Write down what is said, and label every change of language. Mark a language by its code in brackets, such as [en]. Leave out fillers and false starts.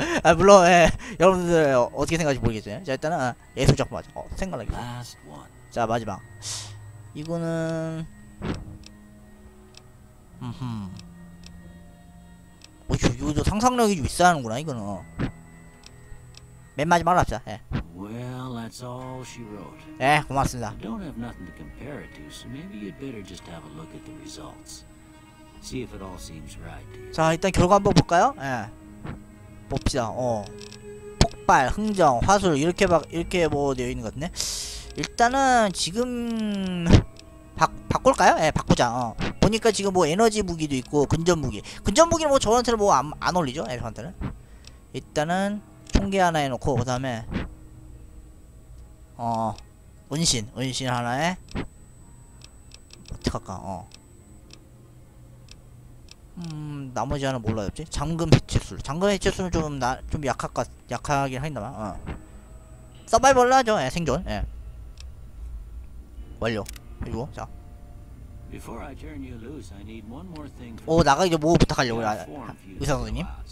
[ko] 아 물론 예 여러분들 어떻게 생각하실지 모르겠어요. 자 일단은 예술적 맞아. 생각나게. 자 마지막 이거는 이거도 상상력이 좀 있어야 하는구나 이거는. 맨 마지막으로 합시다. 예. [en] Well, that's all she wrote. [ko] 예, 고맙습니다. [en] I don't have nothing to compare it to, so maybe you'd better just have a look at the results. See if it all seems right. [ko] 자, 일단 결과 한번 볼까요? 예. 봅시다. 폭발, 흥정, 화술 이렇게 막 이렇게 뭐 되어 있는 것 같네. 일단은 지금 바꿀까요? 예, 바꾸자. 보니까 지금 뭐 에너지 무기도 있고 근접 무기. 근접 무기는 뭐 저한테는 뭐 안 어울리죠? 예, 저한테는. 일단은 총기 하나 해놓고 그 다음에 은신 하나에 어떻게 할까 나머지 하나 몰라요 없지? 잠금 해체술 좀 나 좀 약하긴 하겠나봐. 서바이벌로 하죠. 예, 생존. 예. 완료. 그리고 자 [en] Before I turn you loose, I need one more thing. [ko] 오 나가 이제 뭐 부탁하려고 의사 선생님.